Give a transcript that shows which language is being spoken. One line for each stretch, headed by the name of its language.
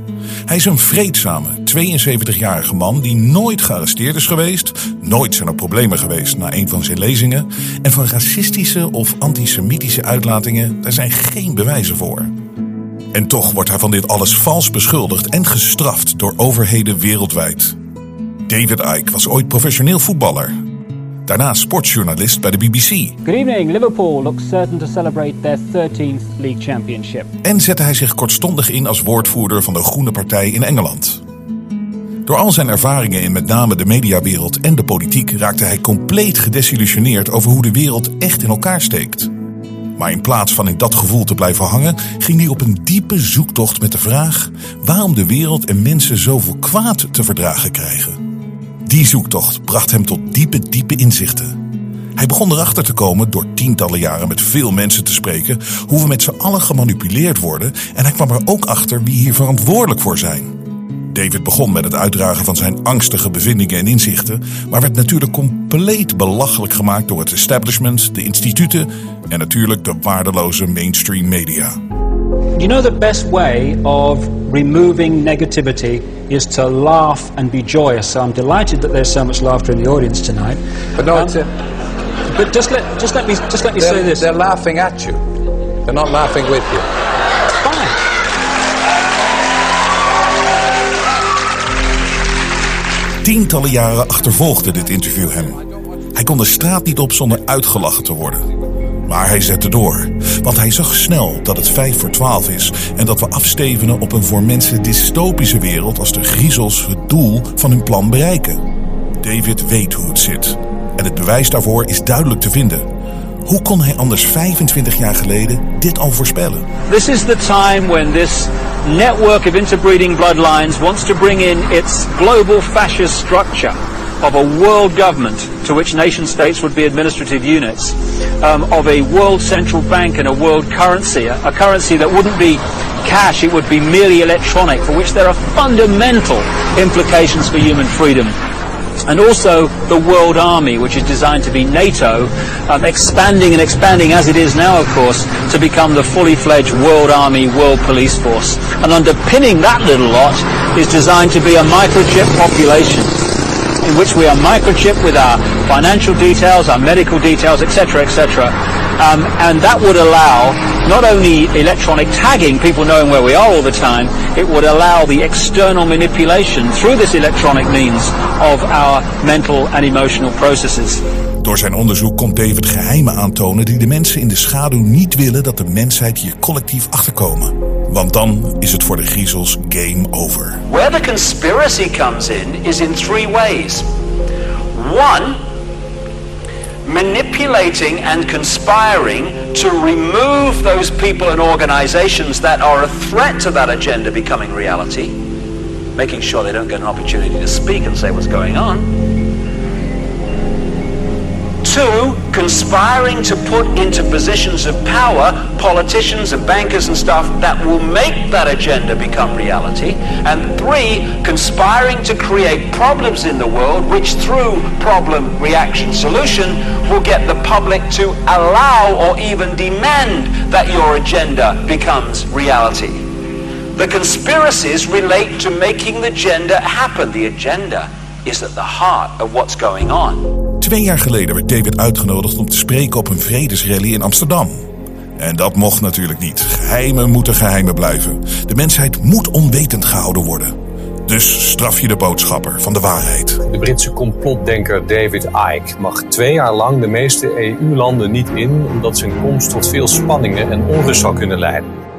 Dutch: Hij is een vreedzame, 72-jarige man die nooit gearresteerd is geweest, nooit zijn er problemen geweest na een van zijn lezingen, en van racistische of antisemitische uitlatingen, daar zijn geen bewijzen voor. En toch wordt hij van dit alles vals beschuldigd en gestraft door overheden wereldwijd. David Icke was ooit professioneel voetballer. Daarna sportjournalist bij de BBC.
English: Good evening. Liverpool looks certain to celebrate their 13th league championship.
Dutch: En zette hij zich kortstondig in als woordvoerder van de Groene Partij in Engeland. Door al zijn ervaringen in met name de mediawereld en de politiek raakte hij compleet gedesillusioneerd over hoe de wereld echt in elkaar steekt. Maar in plaats van in dat gevoel te blijven hangen, ging hij op een diepe zoektocht met de vraag waarom de wereld en mensen zoveel kwaad te verdragen krijgen. Die zoektocht bracht hem tot diepe, diepe inzichten. Hij begon erachter te komen door tientallen jaren met veel mensen te spreken hoe we met z'n allen gemanipuleerd worden, en hij kwam er ook achter wie hier verantwoordelijk voor zijn. David begon met het uitdragen van zijn angstige bevindingen en inzichten, maar werd natuurlijk compleet belachelijk gemaakt door het establishment, de instituten en natuurlijk de waardeloze mainstream media.
English: You know the best way of removing negativity is to laugh and be joyous. So I'm delighted that there's so much laughter in the audience tonight. But no, but just let me say this. They're laughing at you. They're not laughing with you. Fine.
Dutch: Tientallen jaren achtervolgde dit interview hem. Hij kon de straat niet op zonder uitgelachen te worden. Maar hij zette door, want hij zag snel dat het 5 voor 12 is en dat we afstevenen op een voor mensen dystopische wereld als de griezels het doel van hun plan bereiken. David weet hoe het zit. En het bewijs daarvoor is duidelijk te vinden. Hoe kon hij anders 25 jaar geleden dit al voorspellen?
English: This is the time when this network of interbreeding bloodlines wants to bring in its global fascist structure of a world government to which nation states would be administrative units, of a world central bank and a world currency, a currency that wouldn't be cash, it would be merely electronic, for which there are fundamental implications for human freedom. And also the World Army, which is designed to be NATO, expanding and expanding as it is now, of course, to become the fully fledged World Army, World Police Force. And underpinning that little lot is designed to be a microchip population, in which we are microchipped with our financial details, our medical details, etc., etc. And that would allow not only electronic tagging, people knowing where we are all the time, it would allow the external manipulation through this electronic means of our mental and emotional processes.
Dutch: Door zijn onderzoek komt David geheimen aantonen die de mensen in de schaduw niet willen dat de mensheid hier collectief achterkomen. Want dan is het voor de griezels game over.
English: Where the conspiracy comes in is in three ways. One, manipulating and conspiring to remove those people and organizations that are a threat to that agenda becoming reality, making sure they don't get an opportunity to speak and say what's going on. Two, conspiring to put into positions of power politicians and bankers and stuff that will make that agenda become reality. And three, conspiring to create problems in the world which through problem, reaction, solution will get the public to allow or even demand that your agenda becomes reality. The conspiracies relate to making the agenda happen. The agenda is at the heart of what's going on.
Dutch: 2 jaar geleden werd David uitgenodigd om te spreken op een vredesrally in Amsterdam. En dat mocht natuurlijk niet. Geheimen moeten geheimen blijven. De mensheid moet onwetend gehouden worden. Dus straf je de boodschapper van de waarheid. De Britse complotdenker David Icke mag 2 jaar lang de meeste EU-landen niet in, omdat zijn komst tot veel spanningen en onrust zou kunnen leiden.